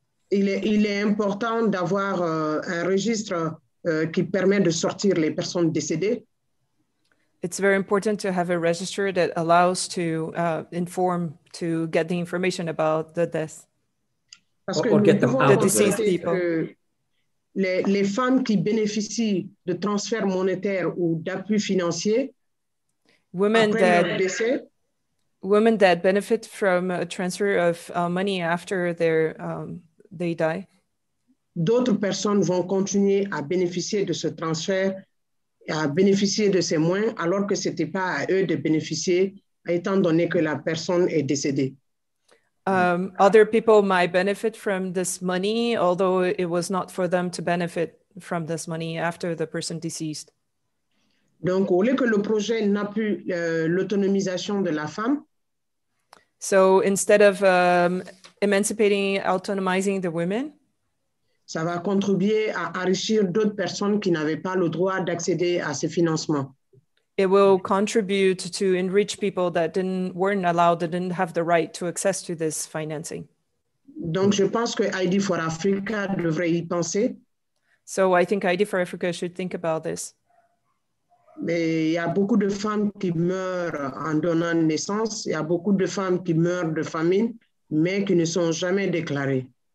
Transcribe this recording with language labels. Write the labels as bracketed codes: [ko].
[fr] Il est important d'avoir un registre qui permet de sortir les personnes décédées. [en] It's very important to have a register that allows to inform, to get the information about the death. Or get them out. The deceased people. [fr] Les femmes qui bénéficient de transferts monétaires ou d'appui financier. [en] Women that benefit from a transfer of money after they die. [fr] D'autres personnes vont continuer à bénéficier de ce transfert, à bénéficier de ces moyens, alors que ce n'était pas à eux de bénéficier, étant donné que la personne est décédée. [en] Other people might benefit from this money, although it was not for them to benefit from this money after the person deceased. [fr] Donc, au lieu que le projet n'a plus l'autonomisation de la femme. [en] So, instead of emancipating, autonomizing the women, [fr] ça va contribuer à enrichir d'autres personnes qui n'avaient pas le droit d'accéder à ces financements. [en] It will contribute to enrich people that weren't allowed, that didn't have the right to access to this financing. [fr] Donc, je pense que ID for Africa devrait y penser. [en] So, I think ID for Africa should think about this. [fr] Mais il y a beaucoup de femmes qui meurent en donnant naissance. Il y a beaucoup de femmes qui meurent de famine, mais qui ne sont jamais déclarées.